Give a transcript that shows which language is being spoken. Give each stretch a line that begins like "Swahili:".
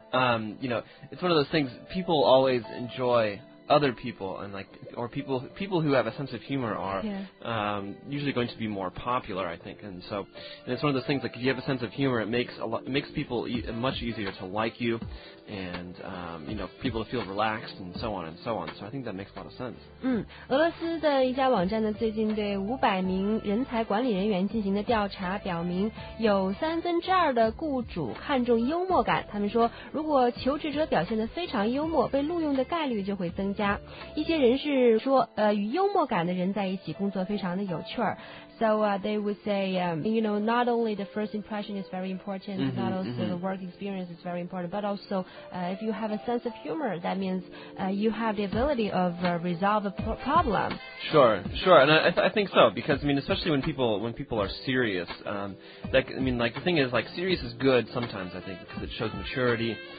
English: You know, it's one of those things, people always enjoy other people, and like, or people who have a sense of humor are usually going to be more popular, I think. And so, and it's one of those things, like, if you have a sense of humor, it makes a lot, it makes people much easier to like you, and you know, people feel relaxed and so on and so on. So I think that makes a lot of sense.
Chinese: 俄罗斯的一家网站呢，最近对500名人才管理人员进行的调查表明，有三分之二的雇主看重幽默感。他们说，如果求职者表现得非常幽默，被录用的概率就会增加。一些人士说，与幽默感的人在一起工作非常的有趣儿。
English: So they would say, you know, not only the first impression is very important, mm-hmm, not also mm-hmm. the work experience is very important, but also if you have a sense of humor, that means you have the ability of resolve a problem. Sure, sure. And I think so, because, I mean, especially when people are serious, the thing is, like, serious is good sometimes, I think, because it shows maturity.